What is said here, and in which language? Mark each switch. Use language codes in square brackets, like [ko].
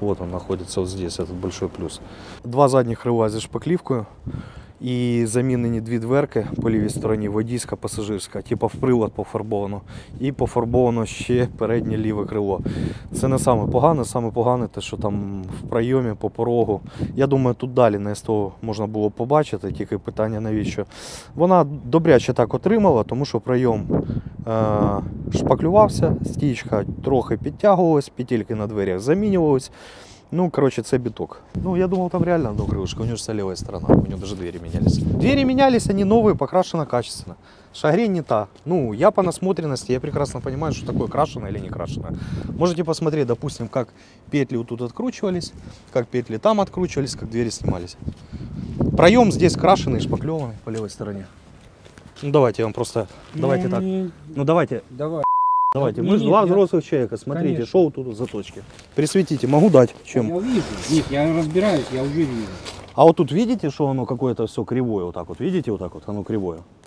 [ru] Вот он находится вот здесь, этот большой плюс. [uk] Два задніх крила зі шпаклівкою. І замінені дві дверки по лівій стороні, водійська, пасажирська, типу в прилад пофарбовано. І пофарбовано ще переднє ліве крило. Це не саме погане те, що там в проймі, по порогу. Я думаю, тут далі на СТО можна було побачити, тільки питання навіщо. Вона добряче так отримала, тому що пройом шпаклювався, стічка трохи підтягувалась, петельки на дверях замінювалися. Ну, короче, це біток. Ну, я думав, там реально одна крилушка, у нього ж ця ліва сторона, у нього навіть двері мінялися. Двері мінялися, вони нові, [ru] покрашено качественно. [uk] Шагрінь не та. Ну, я по насмотренності, я прекрасно розумію, що таке крашено або не крашено. [ru] Можете посмотреть, допустим, [uk] як петлі тут відкручувались, як петлі там відкручувались, як двері знімалися. Пройом здесь крашений, шпакльований по лівій стороні. Ну, давайте я вам просто, давайте так. Ну, давайте. Давай. [ru] Давайте, мы же два взрослых человека, смотрите, шоу тут за точки. Присветите, могу дать чем? Я вижу, нет, я разбираюсь, я уже вижу. А вот тут видите, что оно какое-то все кривое вот так вот? Видите вот так вот, оно кривое?